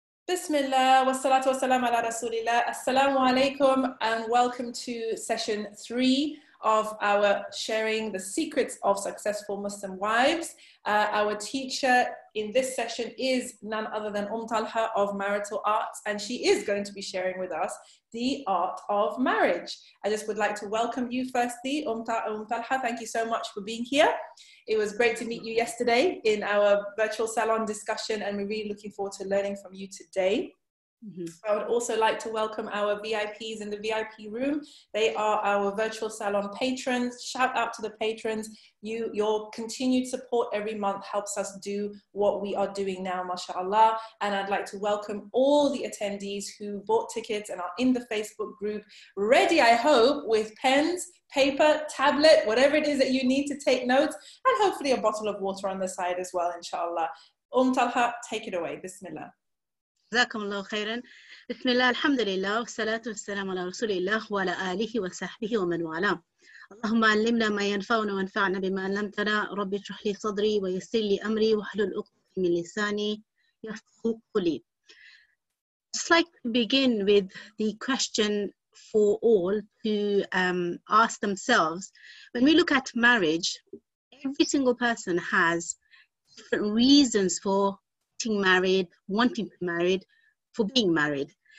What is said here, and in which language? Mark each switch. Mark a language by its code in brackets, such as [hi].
[ar] بسم الله والصلاة والسلام على رسول الله. السلام عليكم [en] and welcome to session 3 of our sharing the secrets of successful Muslim wives. Our teacher in this session is none other than Umm Talha of Marital Arts, and she is going to be sharing with us the art of marriage. I just would like to welcome you firstly, Umm Talha, thank you so much for being here. It was great to meet you yesterday in our virtual salon discussion, and we're really looking forward to learning from you today. Mm-hmm. I would also like to welcome our VIPs in the VIP room. They are our virtual salon patrons. Shout out to the patrons. Your continued support every month helps us do what we are doing now, mashallah. And I'd like to welcome all the attendees who bought tickets and are in the Facebook group, ready, I hope, with pens, paper, tablet, whatever it is that you need to take notes, and hopefully a bottle of water on the side as well, inshallah. Umm Talha, take it away. Bismillah. [ar] جزاكم الله خيرا. بسم الله، الحمد لله، والصلاة والسلام على رسول الله وعلى آله وصحبه ومن والاه. اللهم علمنا ما ينفعنا وانفعنا بما علمتنا، رب اشرح لي صدري ويسر لي أمري واحلل عقدة من لساني يفقهوا قولي. [en] Just like to begin with the question for all to ask themselves, when we look at marriage, every single person has different reasons for married, wanting to marry, for being married.